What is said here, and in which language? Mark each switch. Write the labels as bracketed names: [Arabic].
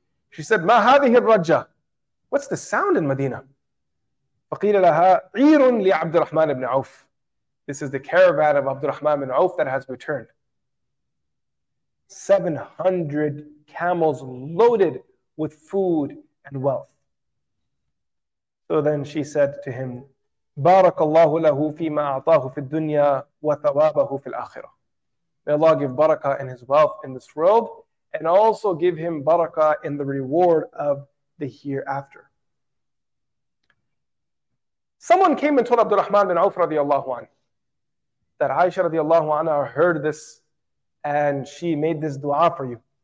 [English] She said, [Arabic] "Ma hadhihi ar-rajja? [English] What's the sound in Medina?" [Arabic] فَقِيلَ لَهَا عِيرٌ لِعَبْدِ الرَّحْمَنِ بْنِ عَوْفِ. [English] This is the caravan of Abdurrahman bin Auf that has returned. 700 camels loaded with food and wealth. So then she said to him, [Arabic] بَارَكَ اللَّهُ لَهُ فِي مَا أَعْطَاهُ فِي الدُّنْيَا وَثَوَابَهُ فِي الْآخِرَةِ. [English] May Allah give barakah in his wealth in this world, and also give him barakah in the reward of the hereafter. Someone came and told Abdurrahman bin Auf radiallahu anhu that Aisha radiallahu anha heard this and she made this dua for you.